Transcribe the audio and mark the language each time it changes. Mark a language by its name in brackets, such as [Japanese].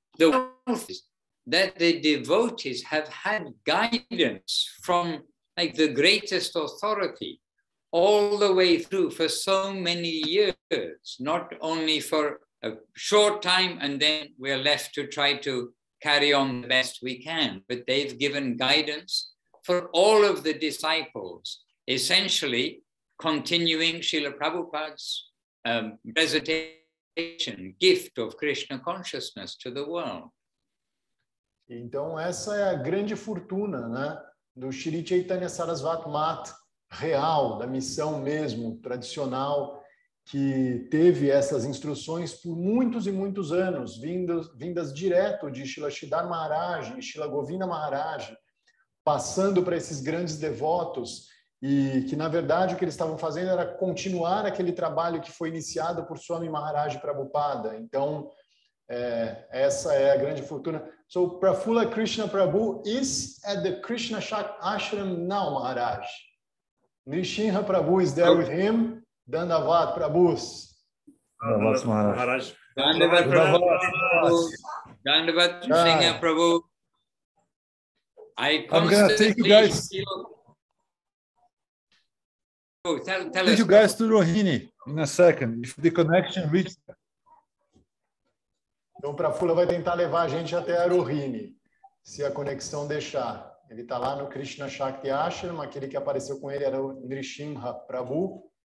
[English] The wealth is that the devotees have had guidance from like the greatest authority all the way through for so many years, not only for a short time and then we're left to try to carry on the best we can, but they've given guidance for all of the disciples, essentially continuing Srila Prabhupada's presentation, gift of Krishna consciousness to the world. [Portuguese] Então, essa é a grande fortuna, né, do Sri Chaitanya Sarasvati Mat real, da missão mesmo, tradicional, que teve essas instruções por muitos e muitos anos, vindas direto de Srila Sridhar Maharaj e Srila Govinda Maharaj, passando para esses grandes devotos, e que, na verdade, o que eles estavam fazendo era continuar aquele trabalho que foi iniciado por Swami Maharaj Prabhupada. Então, essa é a grande fortuna. [English] So Prafula Krishna Prabhu is at the Krishna Ashram now, Maharaj. Nishinha Prabhu is there with him. Dandavat Prabhu. Dandavat Maharaj. Dandavat Prabhu. Dandavat Nishinha Prabhu. I'm going to take you guys. Tell take you guys to Rohini in a second. If the connection reaches. [Portuguese] Então, Prafula vai tentar levar a gente até Aruhini, se a conexão deixar. Ele está lá no Krishna Shakti Ashram, aquele que apareceu com ele era o Nrishimha Prabhu.